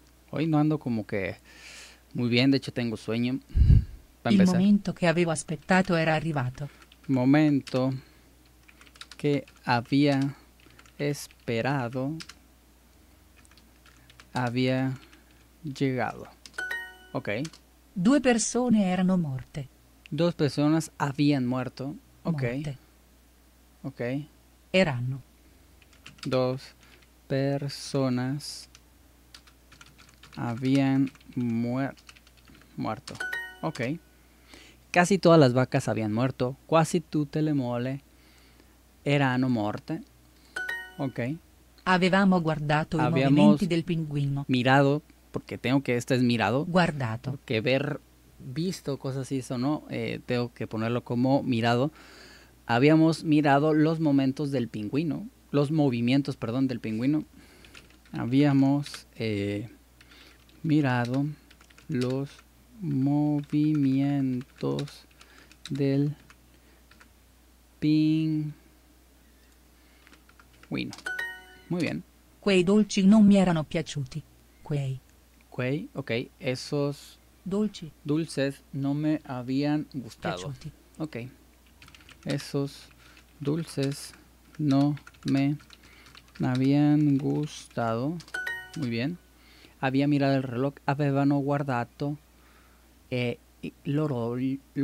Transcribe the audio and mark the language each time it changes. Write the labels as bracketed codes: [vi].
[es] Hoy no ando como que muy bien. De hecho, tengo sueño. Para empezar. El momento que había esperado [it] era arrivato. [es] Momento que había esperado había llegado. Ok. [it] Due persone erano morte. [es] Dos personas habían muerto. Ok. [it] Morte. Ok. Erano. [es] Dos personas habían muerto. Ok. Casi todas las vacas habían muerto. [it] Quasi tutte le mole erano morte. Ok. Avevamo guardato [es] Habíamos [it] i movimenti del pinguino. [es] Mirado, porque tengo que, este es mirado. [it] Guardato. [es] Que ver, visto cosas así, eso no, tengo que ponerlo como mirado. Habíamos mirado los momentos del pingüino, los movimientos, perdón, del pingüino. Habíamos mirado los movimientos del pingüino. Muy bien. [it] Quei dolci non mi erano piaciuti. Quei. [es] Quei, ok. Esos [it] dolci. [es] Dulces no me habían gustado. Piaciuti. Ok. Esos dulces no me habían gustado. Muy bien. Había mirado el reloj. [it] Avevano guardato l'orologio.